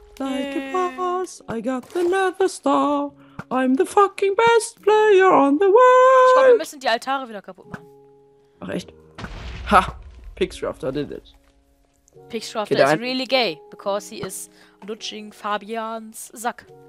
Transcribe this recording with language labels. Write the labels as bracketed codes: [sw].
[en] Like a boss, I got the Nether Star. I'm the fucking best player on the world. [de] Ich glaube, wir müssen die Altare wieder kaputt machen. Ach, echt? [en] Ha! Pixcrafter did it. Pixcrafter is really gay, because he is [de] lutsching Fabians Sack.